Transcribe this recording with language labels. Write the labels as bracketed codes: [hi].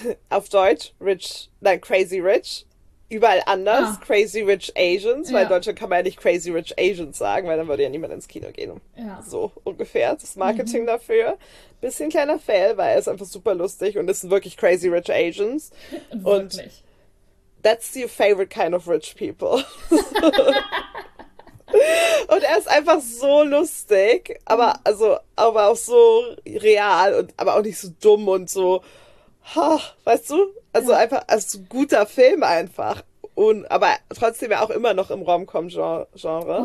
[de] Auf Deutsch Rich, nein, Crazy Rich, überall anders, Ah, Crazy Rich Asians, weil in Deutschland kann man ja nicht Crazy Rich Asians sagen, weil dann würde ja niemand ins Kino gehen. So ungefähr das Marketing dafür. Bisschen kleiner Fail, weil er ist einfach super lustig und es sind wirklich Crazy Rich Asians. Und Wirklich. [en] that's your favorite kind of rich people. [de] Und er ist einfach so lustig, aber also aber auch so real und aber auch nicht so dumm und so, ha, weißt du? Also einfach als guter Film einfach und aber trotzdem ja auch immer noch im Rom-Com-Genre.